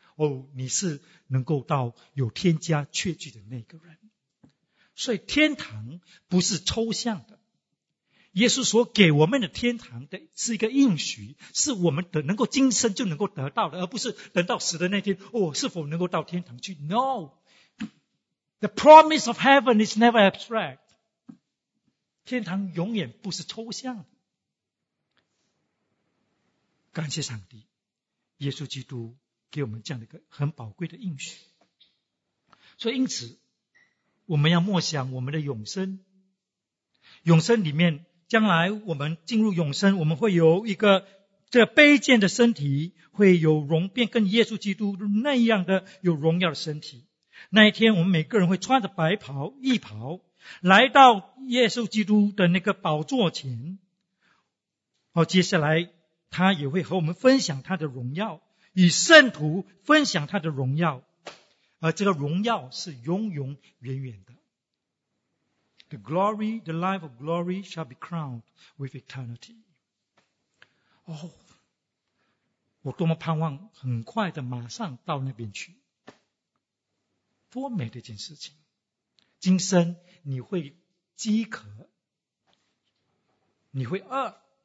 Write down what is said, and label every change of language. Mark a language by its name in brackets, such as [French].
[Chinese] 哦，你是能够到有添加确据的那个人。所以天堂不是抽象的，耶稣所给我们的天堂的是一个应许，是我们能够今生就能够得到的，而不是等到死的那天，哦，是否能够到天堂去。 [English] No, the promise of heaven is never abstract. [Chinese] 天堂永远不是抽象的。感谢上帝，耶稣基督给我们这样的一个很宝贵的应许。所以因此我们要默想我们的永生。永生里面，将来我们进入永生，我们会有一个这卑贱的身体，会有荣变跟耶稣基督那样的有荣耀的身体。那一天我们每个人会穿着白袍义袍来到耶稣基督的那个宝座前。好，接下来他也会和我们分享他的荣耀，与圣徒分享他的荣耀，而这个荣耀是永永远远的。 The glory, the life of glory shall be crowned with eternity. 哦，我多么盼望很快的马上到那边去。多美的一件事情。今生你会饥渴，你会饿。